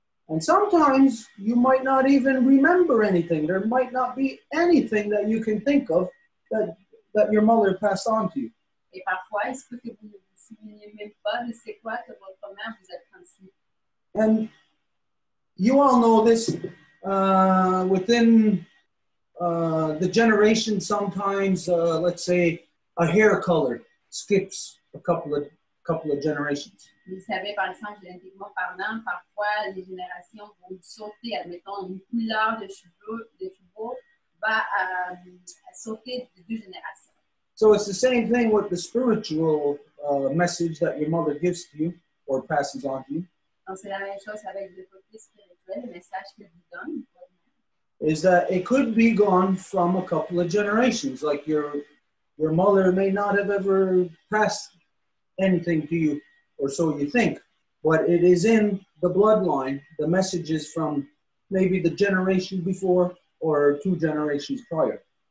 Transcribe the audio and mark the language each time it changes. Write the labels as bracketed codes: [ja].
[en] And sometimes you might not even remember anything. There might not be anything that you can think of that your mother passed on to you. [fr] Et parfois, est-ce que vous ne vous souvenez même pas de ce que votre mère vous a transmis? [en] And you all know this. Within the generation, sometimes, let's say, a hair color skips a couple of generations. [fr] Vous savez, par exemple, génétiquement parlant, parfois les générations vont sauter, admettons, une couleur de cheveux va sauter de deux générations. [en] So it's the same thing with the spiritual message that your mother gives to you or passes on to you. [fr] Donc c'est la même chose avec le côté spirituel, le message que vous donne. [en] Is that it could be gone from a couple of generations. Like your mother may not have ever passed anything to you, or so you think, but it is in the bloodline, the messages from maybe the generation before or two generations prior.